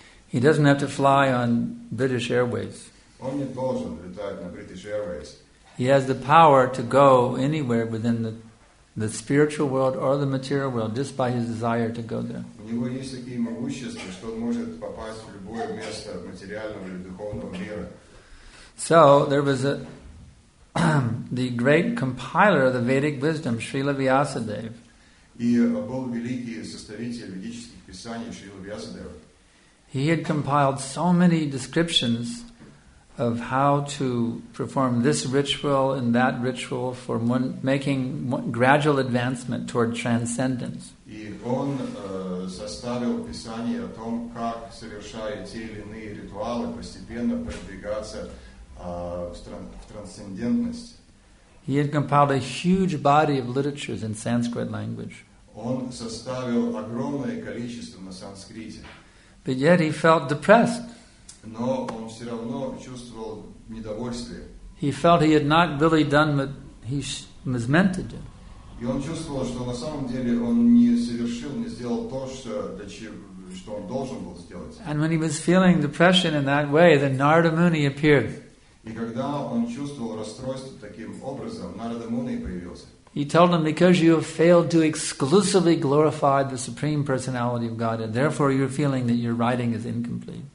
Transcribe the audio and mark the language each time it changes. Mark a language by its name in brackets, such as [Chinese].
[English] He doesn't have to fly on British Airways. [Russian] Он не должен летать на British Airways. [English] He has the power to go anywhere within the spiritual world or the material world just by his desire to go there. [Russian] У него есть такие могущества, что он может попасть в любое место материального или духовного мира. [English] So there was a the great compiler of the Vedic wisdom, Śrīla Vyāsadeva. [Russian] И был великий составитель ведических писаний Śrīla Vyāsadeva. [English] He had compiled so many descriptions of how to perform this ritual and that ritual for making gradual advancement toward transcendence. [Russian] И он составил писание о том, как совершая те или иные ритуалы, постепенно продвигаться в трансцендентность. [English] He had compiled a huge body of literatures in Sanskrit language. [Russian] Он составил огромное количество на санскрите. [English] But yet he felt depressed. [Russian] Но он все равно чувствовал недовольствие. [English] He felt he had not really done what he was meant to do. [Russian] И он чувствовал, что на самом деле он не совершил, не сделал то, что он должен был сделать. [English] And when he was feeling depression in that way, then Narada Muni appeared. [Russian] И когда он чувствовал расстройство таким образом, Narada Muni появился. [English] He told him, because you have failed to exclusively glorify the Supreme Personality of Godhead, therefore you're feeling that your writing is incomplete.